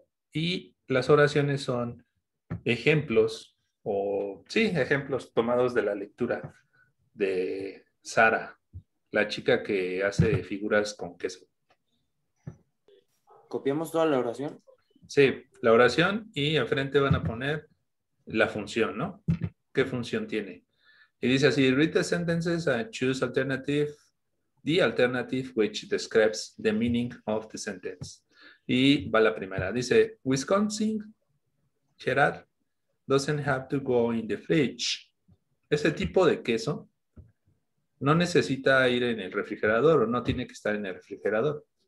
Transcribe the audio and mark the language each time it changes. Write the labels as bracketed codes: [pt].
[es] Y las oraciones son ejemplos o, sí, ejemplos tomados de la lectura de Sara. La chica que hace figuras con queso. ¿Copiamos toda la oración? Sí, la oración y enfrente van a poner la función, ¿no? ¿Qué función tiene? Y dice así, [en] read the sentences and choose alternative, the alternative which describes the meaning of the sentence. [es] Y va la primera. Dice, [en] Wisconsin, Gerard, doesn't have to go in the fridge. [es] Ese tipo de queso no necesita ir en el refrigerador o no tiene que estar en el refrigerador.